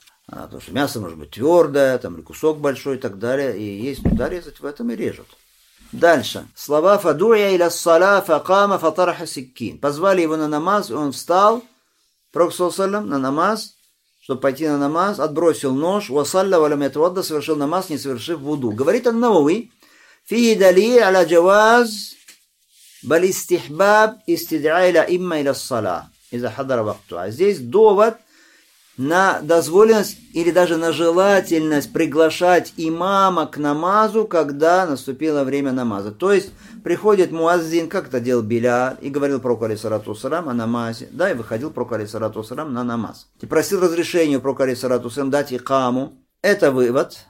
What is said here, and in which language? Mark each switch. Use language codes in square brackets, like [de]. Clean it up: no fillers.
[ru] Потому что мясо может быть твердое, там, или кусок большой и так далее, и есть нужда резать в этом и режут. Дальше. Слова [ar] фадуя иля ссала факама фатараха сиккин. [ru] Позвали его на намаз, и он встал, пророк саллаллаху алейхи ва саллям, на намаз, чтобы пойти на намаз, отбросил нож, [ar] وَصَلَّ وَلَمْ يَتَوَضَّ, [ru] совершил намаз, не совершив вуду. Говорит ан-Навави, [ar] فِيهِ دَلِيلٌ عَلَى جَوَازِ بَلْ إِسْتِحْبَابِ إِسْتِدْعَاءَ إِلَى إِمَّا إِلَى الصَّلَاةِ إِذَا حَضَرَ وَقْتُهَا. [ru] Здесь довод на дозволенность или даже на желательность приглашать имама к намазу, когда наступило время намаза. То есть Приходит муаззин, как это делал Билял, и говорил пророку алейхиссалату вассалям о намазе. Да, и выходил пророк алейхиссалату вассалям на намаз. И просил разрешения пророку алейхиссалату вассалям дать икаму. Это вывод.